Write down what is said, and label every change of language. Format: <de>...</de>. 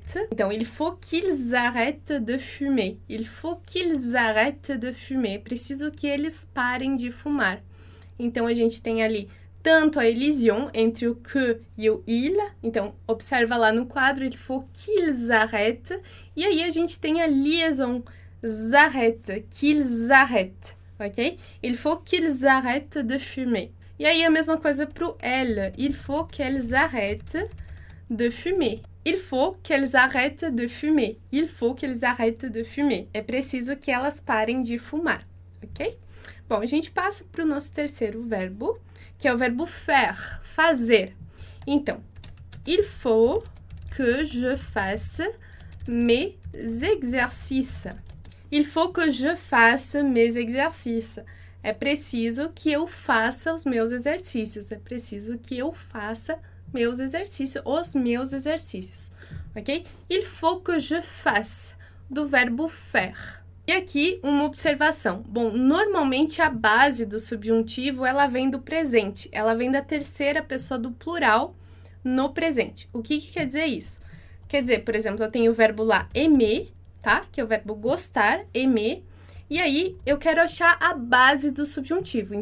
<pt>Então,</pt> <fr>il faut qu'ils arrêtent de fumer. Il faut qu'ils arrêtent de fumer.</fr> <pt>Preciso que eles parem de fumar. Então, a gente tem ali tanto a elision entre o que e o il. Então, observa lá no quadro,</pt> <fr>il faut qu'ils arrêtent.</fr> <pt>E aí, a gente tem a liaison.</pt> <fr>Arrêtent, qu'ils arrêtent. Ok? Il faut qu'ils arrêtent de fumer.</fr> <pt>E aí, a mesma coisa para o elle.</pt> <fr>Il faut qu'elles arrêtent de fumer. Il faut qu'elles arrêtent de fumer. Il faut qu'elles arrêtent de fumer.</fr> <pt>É preciso que elas parem de fumar, ok? Bom, a gente passa para o nosso terceiro verbo, que é o verbo faire, fazer. Então,</pt> <fr>il faut que je fasse mes exercices. Il faut que je fasse mes exercices.</fr> <pt>É preciso que eu faça os meus exercícios. É preciso que eu faça meus exercícios, os meus exercícios, ok?</pt> <fr>Il faut que je fasse,</fr> <pt>do verbo faire. E aqui uma observação. Bom, normalmente a base do subjuntivo ela vem do presente, ela vem da terceira pessoa do plural no presente. O que que quer dizer isso? Quer dizer, por exemplo, eu tenho o verbo lá aimer, tá? Que é o verbo gostar, aimer. E aí eu quero achar a base do subjuntivo.</pt>